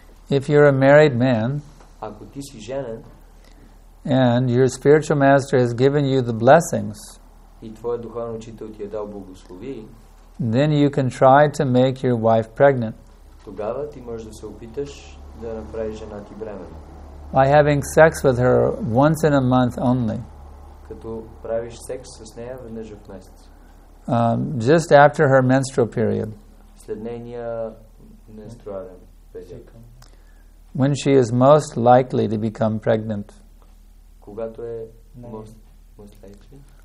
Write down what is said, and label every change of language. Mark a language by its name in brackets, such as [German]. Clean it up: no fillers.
[English] if you're a married man, [Bulgarian] ако ти си женен, [English] and your spiritual master has given you the blessings, [Bulgarian] и твой духовен учител ти е дал благослови, [English] then you can try to make your wife pregnant. [Bulgarian] Тогава ти можеш да се опиташ да направиш жена ти бременна. [English] By having sex with her once in a month only. [Bulgarian] като правиш секс с нея веднъж в месец. [English] Just after her menstrual period. [Bulgarian] След нейния менструален период. [English] When she is most likely to become pregnant. [Bulgarian] Когато е [English] most likely.